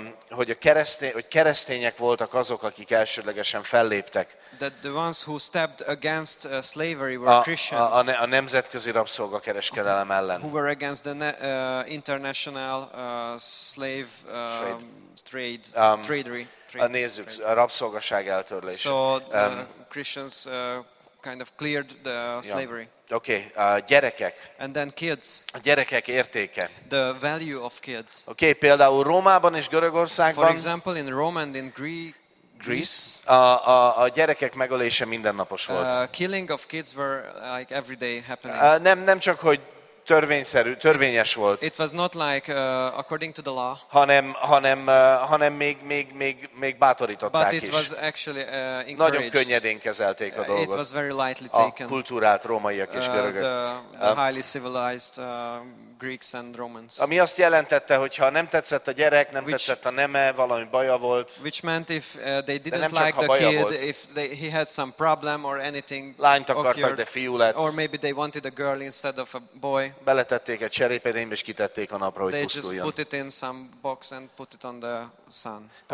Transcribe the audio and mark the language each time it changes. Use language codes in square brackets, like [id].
[hu] Hogy keresztények voltak azok, akik elsődlegesen felléptek. [en] That the ones who stepped against slavery were Christians. [hu] A nemzetközi rabszolgakereskedelem ellen. [en] Who were against the international slave trade. [hu] Nézzük, a rabszolgaság eltörlése. [en] So the Christians kind of cleared the slavery. [hu] Okay, gyerekek. [en] And then kids. [hu] A gyerekek értéke. [en] The value of kids. [hu] Okay, például Rómában és Görögországban. [en] For example, in Rome and in Greece. [hu] A gyerekek megölése mindennapos volt. [en] Killing of kids were like everyday happening. [hu] Nem csak hogy törvényes volt. [en] It was not like according to the law. [hu] Hanem még bátorították [en] but [hu] is. [en] But it was actually encouraged. [hu] Nagyon könnyedén kezelték a dolgot. [en] It was very lightly taken. [hu] A kultúrát rómaiak és görögök. [en] The highly civilized Greeks and Romans. [hu] Ami azt jelentette, hogy ha nem tetszett a gyerek, nem tetszett a neme, valami baja volt. [en] Which meant if they didn't like the kid, if he had some problem or anything. [hu] Lányt akartak, de fiú lett. [en] Or maybe they wanted a girl instead of a boy. [hu] Beletették egy cserépedénybe és kitették a napra, hogy pusztuljon. [en] They just put it in some box and put it on the sun.